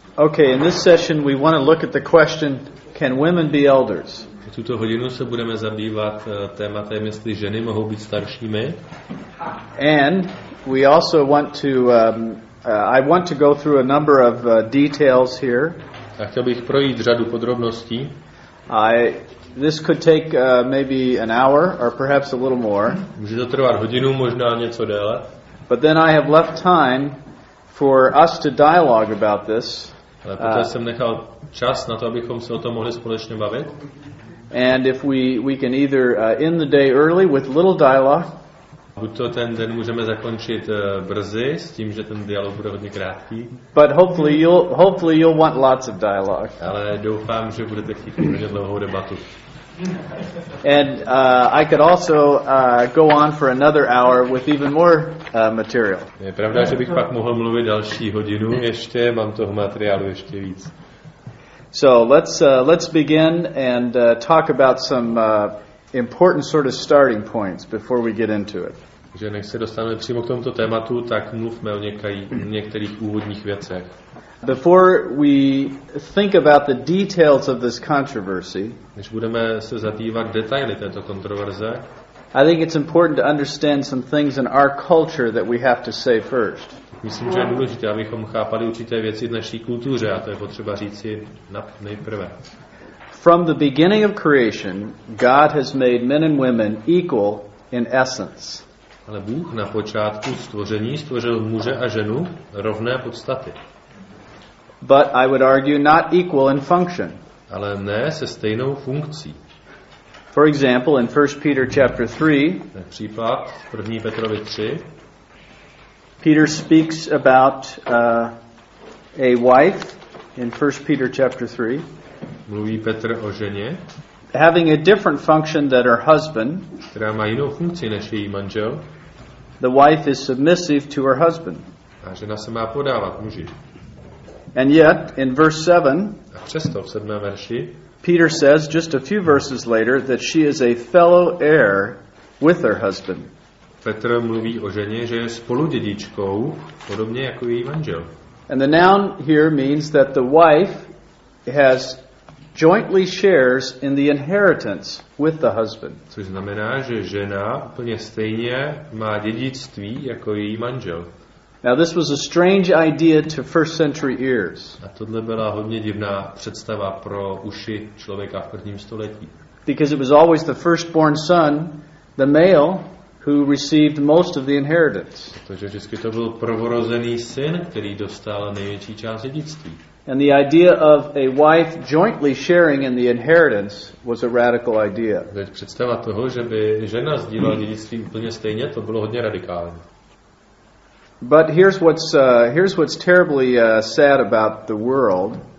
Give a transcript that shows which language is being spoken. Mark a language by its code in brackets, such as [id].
[en] Okay, in this session we want to look at the question, can women be elders? [cs] V tuto hodinu se budeme zabývat tématem, jestli ženy mohou být staršími. [en] And we also want to I want to go through a number of details here. [cs] A chtěl bych projít řadu podrobností. [en] This could take maybe an hour or perhaps a little more. [cs] Může to trvat hodinu, možná něco déle. [en] But then I have left time for us to dialogue about this. [cs] Ale poté jsem nechal čas na to, abychom se o tom mohli společně bavit. [en] And if we can either end the day early with little dialogue. [cs] Buď to ten den můžeme zakončit brzy s tím, že ten dialog bude hodně krátký. [en] But hopefully you'll want lots of dialogue. [cs] Ale doufám, že budete chtít hodně dlouhou debatu. [en] And I could also go on for another hour with even more material. [cs] Je pravda, že bych pak mohl mluvit další hodinu ještě, mám toho materiálu ještě víc. [en] So let's begin and talk about some important sort of starting points before we get into it. [cs] Že než se dostaneme přímo k tomuto tématu, tak mluvme o některých úvodních věcech. [en] Before we think about the details of this controversy, [cs] než budeme se zabývat detaily této kontroverze, [en] I think it's important to understand some things in our culture that we have to say first. [cs] Myslím, že je důležité, abychom chápali určité věci v naší kultuře, a to je potřeba říci nejprve. [en] From the beginning of creation, God has made men and women equal in essence. [cs] Ale Bůh na počátku stvoření stvořil muže a ženu rovné podstaty. [en] But I would argue not equal in function. [cs] Ale ne se stejnou funkcí. [en] For example, in 1 Peter chapter 3, [cs] například v 1. Petrovi 3, [en] Peter speaks about a wife in 1 Peter chapter 3. [cs] Mluví Petr o ženě, [en] having a different function than her husband, [cs] která má jinou funkci než její manžel. [en] The wife is submissive to her husband. [cs] A žena se má podávat muži. [en] And yet, in verse 7, [cs] a přesto v 7. verši, [en] Peter says just a few verses later that she is a fellow heir with her husband. [cs] Petr mluví o ženě, že je spoludědičkou, podobně jako její manžel. [en] And the noun here means that the wife has jointly shares in the inheritance with the husband. [cs] Což znamená, že žena úplně stejně má dědictví jako její manžel. [en] Now this was a strange idea to first century ears. [cs] A tohle byla hodně divná představa pro uši člověka v prvním století. [en] Because it was always the firstborn son, the male, who received most of the inheritance. [cs] Protože vždycky to byl prvorozený syn, který dostal největší část dědictví. [en] And the idea of a wife jointly sharing in the inheritance was a radical idea. [cs] Teď představa toho, že by žena sdílela dědictví úplně stejně, to bylo hodně radikální. [en] But here's what's terribly sad about the world.